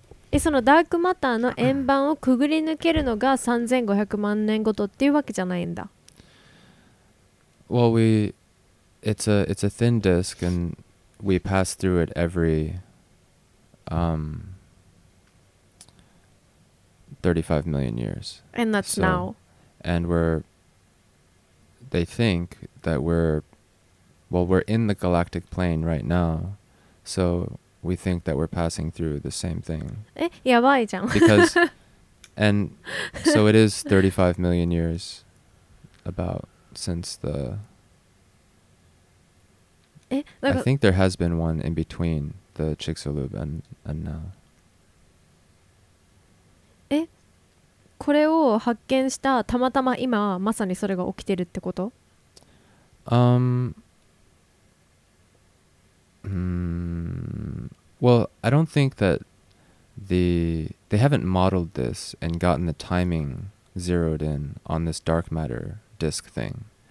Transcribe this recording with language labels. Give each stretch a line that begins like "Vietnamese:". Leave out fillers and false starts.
Japanese: え、そのダークマターの円盤をくぐり抜けるのが3500万年ごとっていうわけじゃないんだ。
English: Well, it's a thin disk and we pass through it every 35 million years. And that's now. And they think that we're in the galactic plane right now. So we think that we're passing through the same thing.
Japanese: え、やばいじゃん。
English: Because, and so it is 35 million years about since the... え、 I think there has been one in between the Chicxulub and now.
Japanese: え、これを発見したたまたま今まさにそれが起きてるってこと？
English: Well, I don't think that they haven't modeled this and gotten the timing zeroed in on this dark matter disk thing.